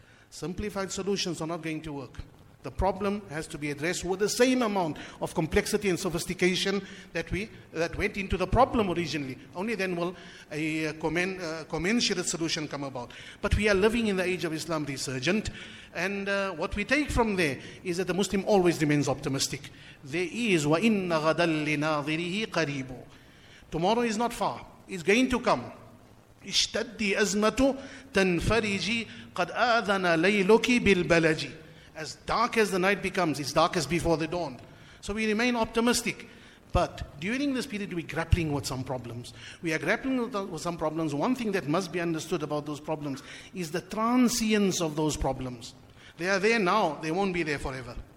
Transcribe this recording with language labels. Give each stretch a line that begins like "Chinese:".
English: Simplified solutions are not going to work. The problem has to be addressed with the same amount of complexity and sophistication that went into the problem originally. Only then will a commensurate solution come about. But we are living in the age of Islam resurgent. And what we take from there is that the Muslim always remains optimistic. There is
Arabic: وَإِنَّ غَدَى لِنَاظِرِهِ قَرِيبُ.
English: Tomorrow is not far. It's going to come.
Arabic: اشتدي أزمة تنفرجي قد آذن ليلك بالبلج.
English: As dark as the night becomes, it's darkest before the dawn. So we remain optimistic. But during this period, we're grappling with some problems. One thing that must be understood about those problems is the transience of those problems. They are there now. They won't be there forever.